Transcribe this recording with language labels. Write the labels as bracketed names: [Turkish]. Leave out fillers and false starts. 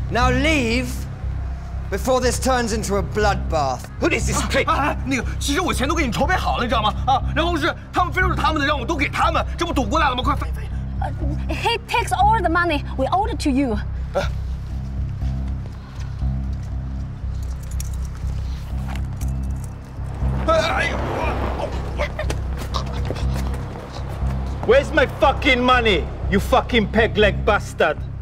[English] Now leave before this turns into a bloodbath. Who is this prick? [Chinese] 其实我钱都给你筹备好了，你知道吗？啊，然后是他们非说是他们的，让我都给他们，这不赌过来了吗？快飞飞。 [English] He takes all the money we owed to you. Where's my fucking money, you fucking peg leg bastard?